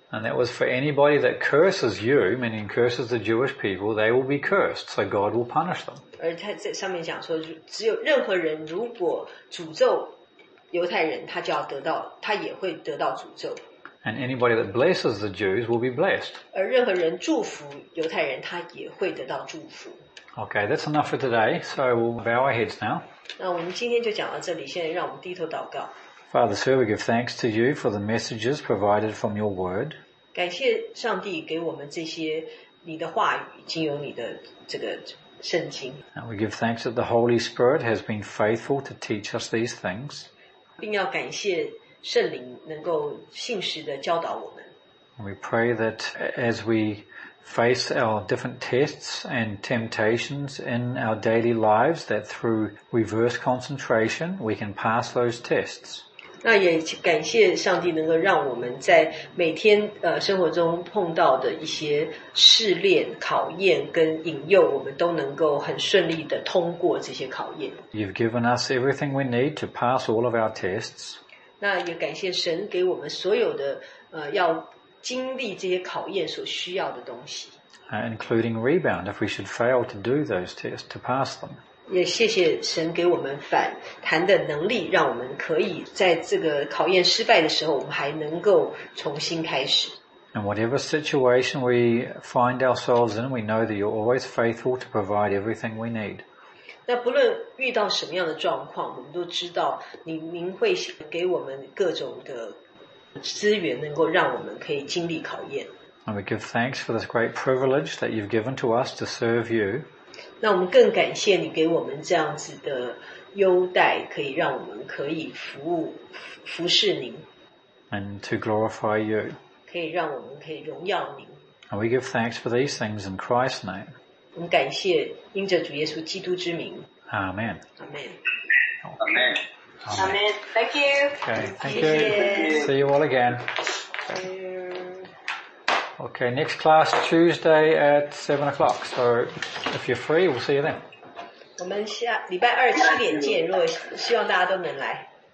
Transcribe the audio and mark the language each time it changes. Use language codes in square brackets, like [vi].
[en] And that was for anybody that curses you, meaning curses the Jewish people, they will be cursed, so God will punish them. [zh] 而他在上面讲说，只有任何人如果诅咒犹太人，他就要得到，他也会得到诅咒。 [en] And anybody that blesses the Jews will be blessed. [zh] 而任何人祝福犹太人，他也会得到祝福。 [en] Okay, that's enough for today, so we'll bow our heads now. [zh] 那我们今天就讲到这里，现在让我们低头祷告。 [en] Father, sir, we give thanks to you for the messages provided from your word. [zh] 感谢上帝给我们这些你的话语，经由你的这个圣经。 [en] And we give thanks that the Holy Spirit has been faithful to teach us these things. [zh] 并要感谢圣灵能够信实地教导我们。 [en] And we pray that as we face our different tests and temptations in our daily lives, that through reverse concentration, we can pass those tests. [zh] 那也感谢上帝能够让我们在每天生活中碰到的一些试炼、考验跟引诱，我们都能够很顺利的通过这些考验。 [en] You've given us everything we need to pass all of our tests. [zh] 那也感谢神给我们所有的要经历这些考验所需要的东西。 [en] Including rebound, if we should fail to do those tests, to pass them. [zh] 也谢谢神给我们反弹的能力，让我们可以在这个考验失败的时候，我们还能够重新开始。 [en] And whatever situation we find ourselves in, we know that you're always faithful to provide everything we need. [zh] 那不论遇到什么样的状况，我们都知道您会给我们各种的资源能够让我们可以经历考验。 [en] And we give thanks for this great privilege that you've given to us to serve you. [zh] 那我们更感谢你给我们这样子的优待，可以让我们可以服侍您。 [en] And to glorify you. [zh] 可以让我们可以荣耀您。 [en] And we give thanks for these things in Christ's name. [zh] 我们感谢因着主耶稣基督之名。 [en] Amen. Amen. Amen. Amen. Amen. Thank you. Okay, thank you. See you all again. Okay, next class Tuesday at 7 o'clock. So if you're free, we'll see you then. [zh] 我们下礼拜二七点见，如果希望大家都能来。